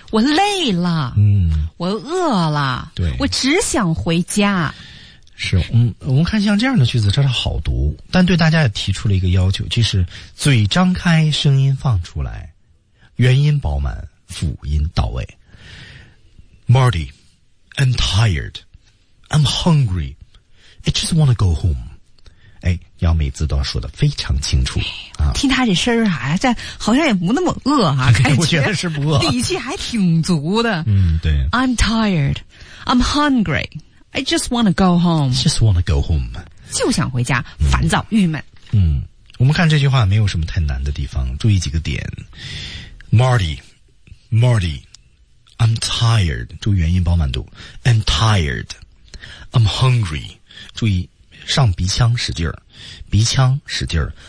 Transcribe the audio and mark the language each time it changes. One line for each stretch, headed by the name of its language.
Chinese: 我累了，嗯，我饿了，对，我只想回家。是，嗯，我们看像这样的句子，真的好读，但对大家也提出了一个要求，就是嘴张开，声音放出来，元音饱满，辅音到位。
English: Marty, I'm tired, I'm hungry, I just want to go home.
Chinese: 哎，要每字都要说得非常清楚啊！听他这声儿啊，这好像也不那么饿啊，感觉是不饿，底气还挺足的。嗯，对。
English: I'm tired, I'm hungry, I just want to go home. Just want to go home.
Chinese: 就想回家，烦躁、郁闷。嗯，我们看这句话没有什么太难的地方，注意几个点。 Marty,
English: I'm tired.
Chinese: 注意元音饱满度。
English: I'm tired, I'm hungry.
Chinese: 注意。上鼻腔使劲儿，鼻腔使劲儿。